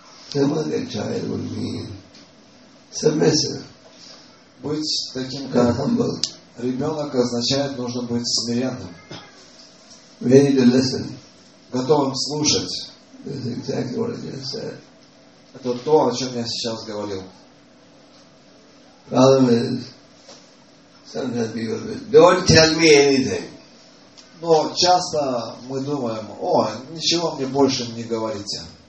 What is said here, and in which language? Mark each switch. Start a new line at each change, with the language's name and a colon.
English: Simple like a child would mean submissive.
Russian: Быть таким, как humble. Ребенок означает, нужно быть смиренным.
English: Ready to listen.
Russian: Готовым слушать.
English: This is exactly what I just said.
Russian: Это то, о чем я сейчас говорил.
English: Problem is, sometimes people say, don't tell me anything.
Russian: Но часто мы думаем, о, ничего мне больше не говорите.